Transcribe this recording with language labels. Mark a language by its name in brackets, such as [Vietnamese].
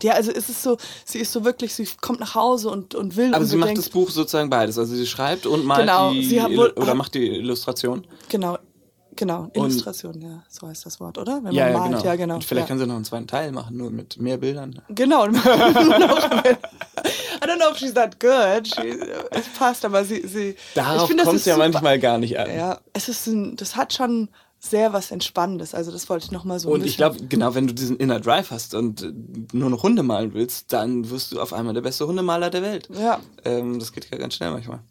[German] Ja, also es ist so, sie ist so wirklich, sie kommt nach Hause und will. Aber sie macht das Buch sozusagen beides, also sie schreibt und malt genau, die, sie hat wohl, oder macht die Illustration. Genau, Genau, Illustration, und, ja, so heißt das Wort, oder? Wenn man ja, malt, genau. Ja, genau. Und vielleicht ja. Kann sie noch einen zweiten Teil machen, nur mit mehr Bildern. Genau. [English] I don't know if she's that good. [German] Es passt, aber sie darauf kommt es ja manchmal gar nicht an. Ja, es ist ein, das hat schon sehr was Entspannendes, also das wollte ich nochmal so. Und ich glaube, genau, wenn du diesen Inner Drive hast und nur noch Hunde malen willst, dann wirst du auf einmal der beste Hundemaler der Welt. Ja. Das geht ja ganz schnell manchmal.